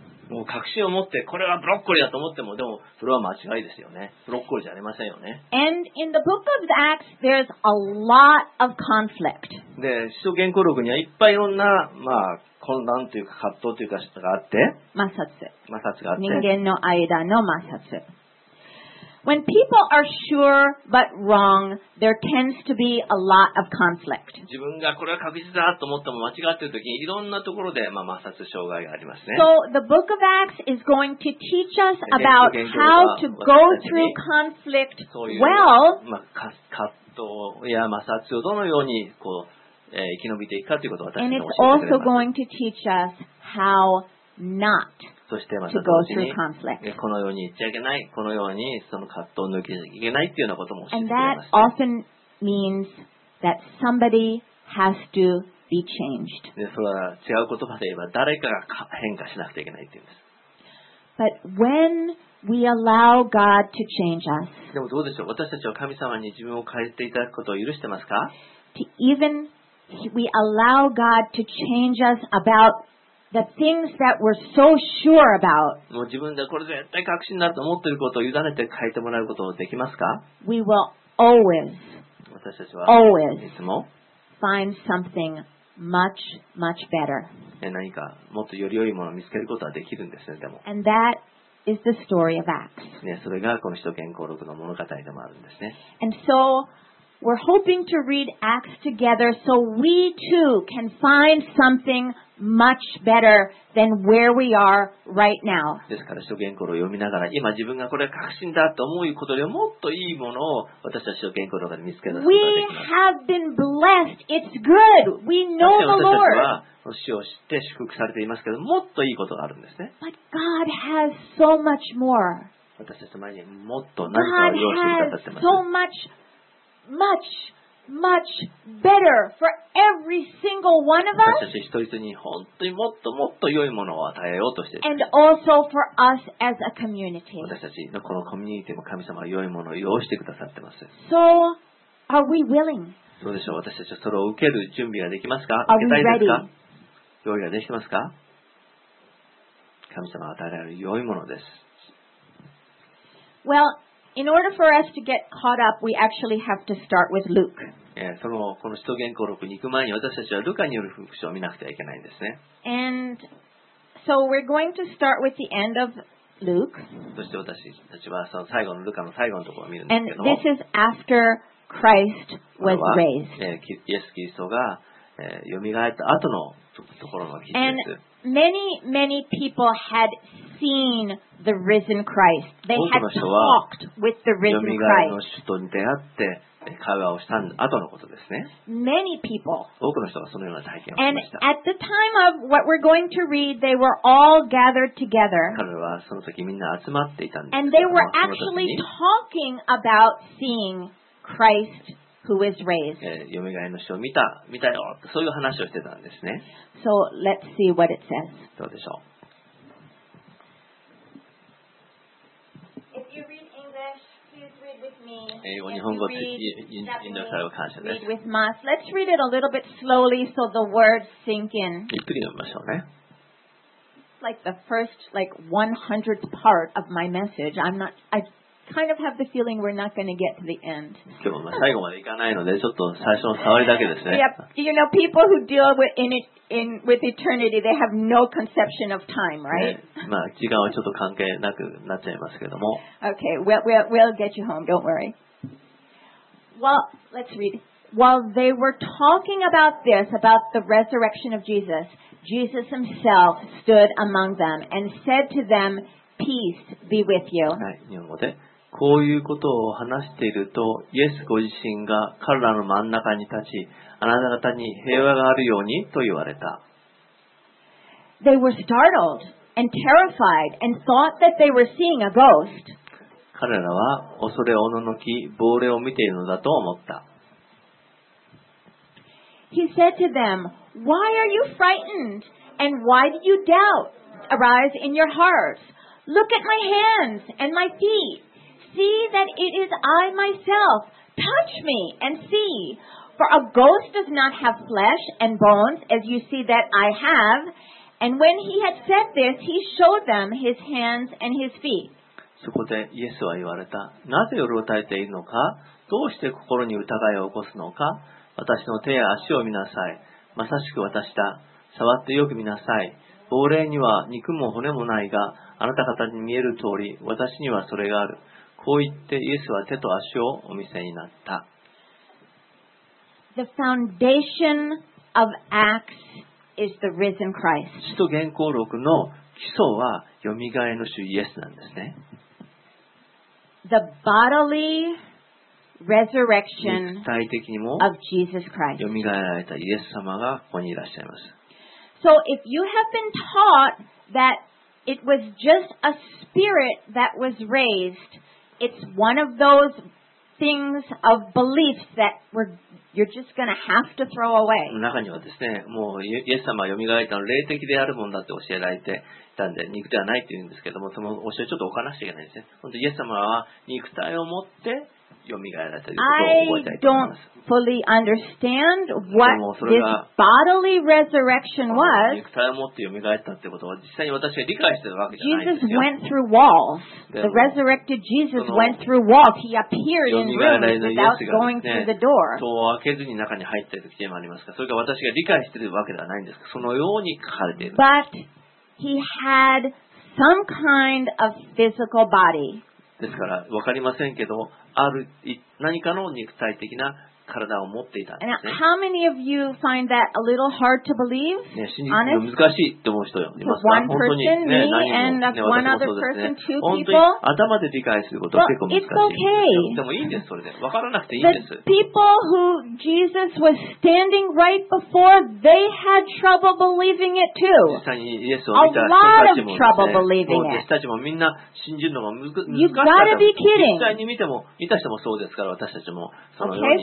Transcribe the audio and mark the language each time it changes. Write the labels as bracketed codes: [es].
[ja] もう確信を持ってこれはブロッコリーだと思ってもでもそれは間違いですよね。ブロッコリーじゃありませんよね。 [en] And in the book of Acts, there's a lot of conflict. [ja] で、使徒行伝録にはいっぱいいろんな、まあ、混乱というか葛藤というかがあって。摩擦。摩擦があって。人間の間の摩擦。 [en] When people are sure but wrong, there tends to be a lot of conflict. [ja] 自分がこれは確実だと思っても間違っているときにいろんなところで、まあ、摩擦障害がありますね。 [en] So the book of Acts is going to teach us about how to go through conflict well. [ja] そういう、まあ、葛藤や摩擦をどのようにこう、生き延びていくかということを私たちに教えてくれます。 [en] And it's also going to teach us how not. [ja] そしてまた同時にこのように言っちゃいけない、このようにその葛藤を抜けちゃいけないっていうようなことも教えてくれます。 [en] often means that somebody has to be changed. [ja] で、それは違う言葉で言えば誰かが変化しなくてはいけないって言うんです。 [en] But when we allow God to change us, [ja] でもどうでしょう、私たちは神様に自分を変えていただくことを許してますか [en] ？To even we allow God to change us about the things that we're so sure about. [ja] もう自分でこれ絶対確信だと思っていることを委ねて変えてもらうことできますか? [en] We will always, [ja] 私たちは [en] always, [ja] いつも [en] find something much, much better. [ja] 何かもっとより良いものを見つけることはできるんですね、でも。 [en] And that is the story of Acts. [ja] ね、それがこの使徒行伝の物語でもあるんですね。 [en] And so,We're hoping to read Acts together so we too can find something much better than where we are right now. [ja] ですから、使徒行伝を読みながら、今自分がこれは確信だと思うことよりもっといいものを私たち使徒行伝から見つけることができます。 [en] We have been blessed. It's good. We know the Lord. [ja] 私たちは死を知って祝福されていますけど、もっといいことがあるんですね。 [en] But God has so much more. [ja] 私たちの前にもっと何かを用意してくださってます。 [en] God has so much more. Much, much better for every single one of us. [ja] 私たち一人一人に本当にもっともっと良いものを与えようとしている [en] 。And also for us as a community. [ja] 私たちのこのコミュニティも神様は良いものを用意してくださってます。 [en] So, are we willing? [ja] どうでしょう。私たちそれを受ける準備ができますか。 [en] Are we ready? [ja] 用意ができてますか。神様与えられる良いものです。 [en] Well. In order for us to get caught up, we actually have to start with Luke. [ja] この使徒行伝に行く前に私たちはルカによる福音書を見なくてはいけないんですね。 [en] And so we're going to start with the end of Luke. [ja] そして私たちはその最後のルカの最後のところを見るんですけども。 [en] And this is after Christ was raised. [ja] イエス・キリストが蘇った後のところの記事です。 [en] And many, many people had seen the risen Christ. They had talked with the risen Christ. [ja] 蘇りの主と出会って会話をした後のことですね。 [en] Many people. [ja] 多くの人がそのような体験をしました。 [en] And at the time of what we're going to read, they were all gathered together. [ja] 彼らはその時みんな集まっていたんですけども。 [en] And they were actually talking about seeing Christ. Who is raised? [ja] よみがえりの主を見たよ。そういう話をしてたんですね。 [en] So let's see what it says. [ja] どうでしょう。 [en] If you read English, please read with me. [ja] 英語日本語で引用される感謝です。 [en] Read with us. Let's read it a little bit slowly so the words sink in. [ja] ゆっくり読みましょうね。 [en] Like the first, like 100th part of my message. Kind of have the feeling we're not going to get to the end. [ja] 今日も最後まで行かないので、ちょっと最初の触りだけですね。 [en] Yep. You know, people who deal with eternity, they have no conception of time, right? [ja] まあ時間はちょっと関係なくなっちゃいますけども。 [en] Okay, we'll get you home. Don't worry. Well, let's read. While they were talking about this, about the resurrection of Jesus, Jesus himself stood among them and said to them. Peace be with you. [ja] はい、日本語でこういうことを話しているとイエスご自身が彼らの真ん中に立ちあなた方に平和があるようにと言われた。 [en] They were startled and terrified and thought that they were seeing a ghost. [ja] 彼らは恐れおののき亡霊を見ているのだと思った。 [en] He said to them, Why are you frightened and why do you doubt arise in your hearts? Look at my hands and my feet. See that it is I myself. Touch me and see. For a ghost does not have flesh and bones as you see that I have. And when he had said this, he showed them his hands and his feet. [ja] そこでイエスは言われた。なぜうろたえているのか?どうして心に疑いを起こすのか? 私の手や足を見なさい。まさしく私だ。触ってよく見なさい。亡霊には肉も骨もないが、あなた方に見える通り、私にはそれがある。こう言ってイエスは手と足をお見せになった。 [en] The foundation of Acts is the risen Christ. [ja] 使徒行伝録の基礎はよみがえの主イエスなんですね。 [en] The bodily resurrection of Jesus Christ. [ja] よみがえられたイエス様がここにいらっしゃいます。 [en] So if you have been taught that it was just a spirit that was raised, it's one of those things of beliefs that you're just going to have to throw away. [ja] 中にはですね、もうイエス様はよみがえったの霊的であるものだって教えられてたんで、肉ではないって言うんですけども、その教えちょっと置かなくちゃいけないですね。本当イエス様は肉体を持って蘇られたということを覚えたいと思います。 [en] I don't fully understand what this bodily resurrection was. [ja] 肉体を持って蘇ったということは実際に私が理解しているわけじゃないんですよ。 [en] Jesus went through walls. The resurrected Jesus went through walls. He appeared in rooms without going through the door. [ja] 戸を開けずに中に入ったときでもありますか。それが私が理解しているわけではないんですか。そのように書かれている。 [en] But he had some kind of physical body. [ja] ですから分かりませんけど、ある何かの肉体的な体を持っていたんですね。 [en] How many of you find that a little hard to believe? [ja] 難しいって思う人いますか？本当に、ね、何も、ね、私もそうですね。本当に頭で理解することは結構難しいんですよ。でもいいんです、それで。分からなくていいんです。 [en] The people who Jesus was standing right before, they had trouble believing it too. [ja] 実際にイエスを見た人たちもですね、私たちもみんな信じるのが難しい。 [en] You've got to be kidding. [ja] 実際に見ても、見た人もそうですから、私たちもそのように。